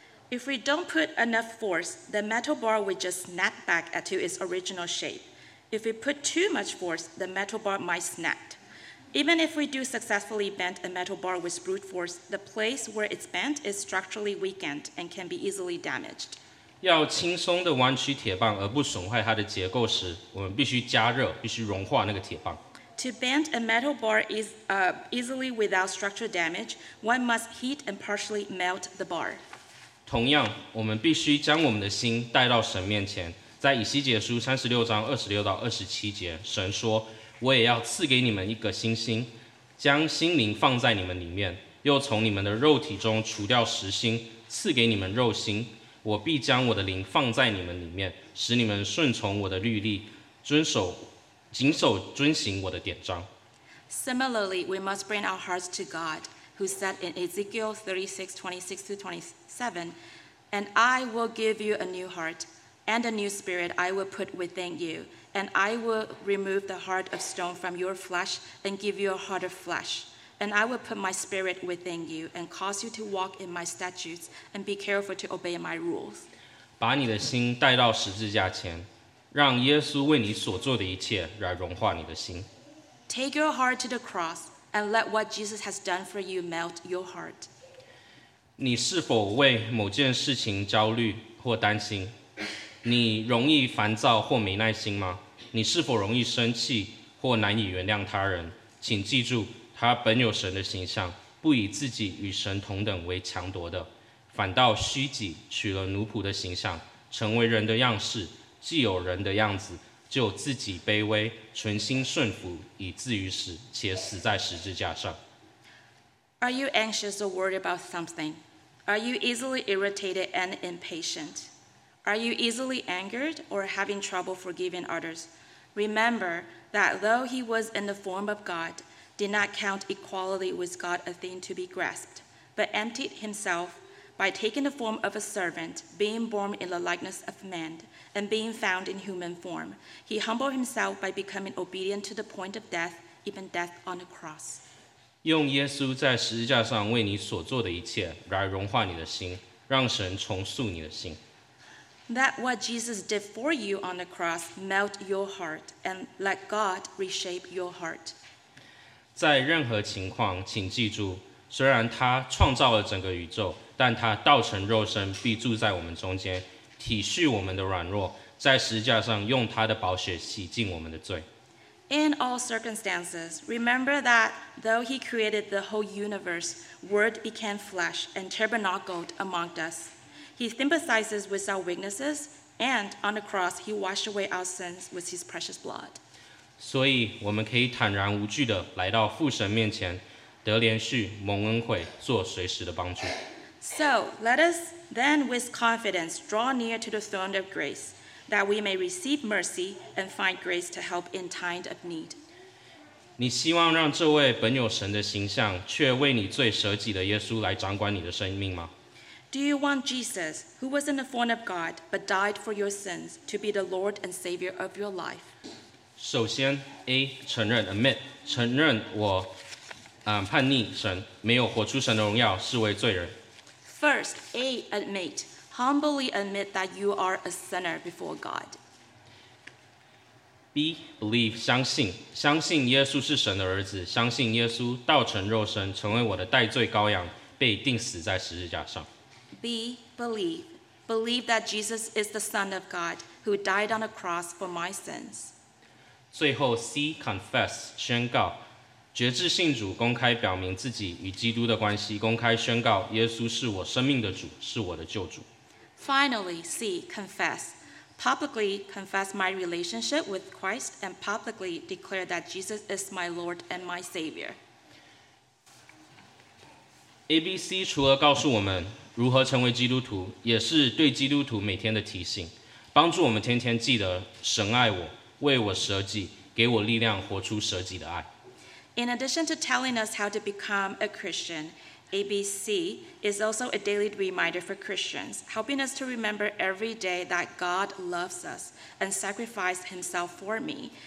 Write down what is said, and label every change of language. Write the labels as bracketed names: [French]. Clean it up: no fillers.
[English] If we don't put enough force, the metal bar will just snap back to its original shape. If we put too much force, the metal bar might snap. Even if we do successfully bend a metal bar with brute force, the place where it's bent is structurally weakened and can be easily damaged. [Chinese] 要轻松地弯曲铁棒而不损坏它的结构时，我们必须加热，必须融化那个铁棒。 [English] To bend a metal bar easily without structural damage, one must heat and partially melt the bar. [Chinese] 同样，我们必须将我们的心带到神面前。在以西结书36:26-27，神说：“我也要赐给你们一个新心，将心灵放在你们里面，又从你们的肉体中除掉石心，赐给你们肉心。” 我必将我的灵放在你们里面，使你们顺从我的律例，遵行我的典章。 [English] Similarly, we must bring our hearts to God, who said in Ezekiel 36:26-27, "And I will give you a new heart, and a new spirit I will put within you, and I will remove the heart of stone from your flesh and give you a heart of flesh." And I will put my spirit within you and cause you to walk in my statutes and be careful to obey my rules. [Chinese] 把你的心带到十字架前，让耶稣为你所做的一切来融化你的心。 [English] Take your heart to the cross and let what Jesus has done for you melt your heart. [Chinese] 你是否为某件事情焦虑或担心？你容易烦躁或没耐心吗？你是否容易生气或难以原谅他人？请记住他本有神的形象，不以自己与神同等为强夺的，反倒虚己，取了奴仆的形象，成为人的样式，既有人的样子，就自己卑微，存心顺服，以至于死，且死在十字架上。 [English] Are you anxious or worried about something? Are you easily irritated and impatient? Are you easily angered or having trouble forgiving others? Remember that though he was in the form of God,did not count equality with God a thing to be grasped, but emptied himself by taking the form of a servant, being born in the likeness of man, and being found in human form. He humbled himself by becoming obedient to the point of death, even death on the cross. [Chinese] 用耶稣在十字架上为你所做的一切来融化你的心，让神重塑你的心。 [English] Let what Jesus did for you on the cross melt your heart, and let God reshape your heart. [Chinese] 在任何情况，请记住，虽然他创造了整个宇宙，但他道成肉身，必住在我们中间，体恤我们的软弱，在十字架上用他的宝血洗净我们的罪。 [English] In all circumstances, remember that though he created the whole universe, word became flesh and tabernacled among us. He sympathizes with our weaknesses, and on the cross, he washed away our sins with his precious blood. [Chinese] 所以我们可以坦然无惧地来到父神面前，得连续蒙恩惠，做随时的帮助。 [English] So let us then with confidence draw near to the throne of grace, that we may receive mercy and find grace to help in time of need. [Chinese] 你希望让这位本有神的形象，却为你罪舍己的耶稣来掌管你的生命吗？ [English] Do you want Jesus, who was in the form of God, but died for your sins, to be the Lord and Savior of your life? [Chinese] 首先 ，A 承认 admit 承认我，叛逆神，没有活出神的荣耀，视为罪人。 [English] First, A admit humbly admit that you are a sinner before God. [Chinese] B believe 相信耶稣是神的儿子，相信耶稣道成肉身，成为我的代罪羔羊，被钉死在十字架上。 [English] B believe that Jesus is the Son of God who died on a cross for my sins. [Chinese] 最后 ，C confess 宣告，决志信主，公开表明自己与基督的关系，公开宣告耶稣是我生命的主，是我的救主。 [English] Finally, C confess, publicly confess my relationship with Christ and publicly declare that Jesus is my Lord and my Savior. [Chinese] ABC 除了告诉我们如何成为基督徒，也是对基督徒每天的提醒，帮助我们天天记得神爱我，为我舍己，给我力量活出舍己的爱。 [English] In addition to telling us how to become a Christian, ABC is also a daily reminder for Christians, helping us to remember every day that God loves us and sacrificed himself for me.